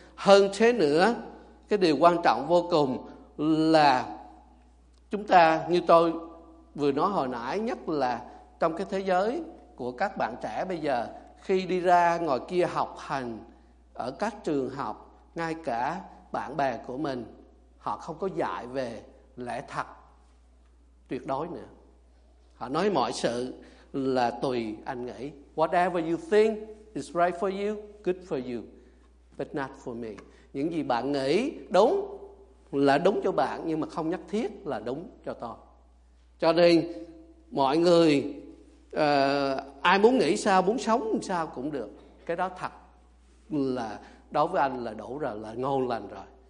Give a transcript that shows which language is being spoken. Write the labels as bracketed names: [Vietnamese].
[Vietnamese] Hơn thế nữa, cái điều quan trọng vô cùng là chúng ta, như tôi vừa nói hồi nãy, nhất là trong cái thế giới của các bạn trẻ bây giờ, khi đi ra ngoài kia học hành ở các trường học, ngay cả bạn bè của mình, họ không có dạy về lẽ thật tuyệt đối nữa. Họ nói mọi sự là tùy anh nghĩ. [English] Whatever you think is right for you, good for you, but not for me. [Vietnamese] Những gì bạn nghĩ đúng là đúng cho bạn, nhưng mà không nhất thiết là đúng cho tôi. Cho nên mọi người, ai muốn nghĩ sao, muốn sống sao cũng được. Cái đó thật là, đối với anh là đủ rồi, là ngon lành rồi.